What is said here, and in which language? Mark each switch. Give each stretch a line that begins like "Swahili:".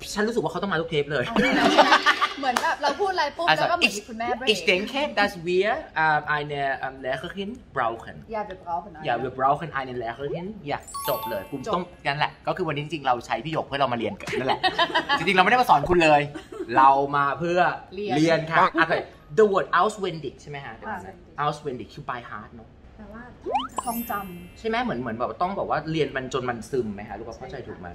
Thai: ฉันรู้สึกว่าเขาต้องมาทุกเทปเลย เหมือนแบบเราพูดอะไรปุ๊บแล้วก็เหมือนคุณแม่เบรก
German: Ich denke, dass wir eine Lehrerin brauchen. Ja, wir brauchen eine. Ja, wir brauchen eine Lehrerin.
Thai: Ja, จบเลยกูต้องงั้นแหละก็คือวันนี้จริงๆเราใช้พี่หยกเพื่อเรามาเรียนกันนั่นแหละจริงๆเราไม่ได้มาสอนคุณเลยเรามาเพื่อ เรีย น ค่ะโอเค The word auswendig ใช่ไหมฮะ Auswendig คือ
English: by heart
Thai: เน า ะ แต่ว่าท่องจำ ใช่ไหมเหมือนแบบต้องบอกว่าเรียนมันจนมันซึมไหมคะลูกเข้าใจถูกไหม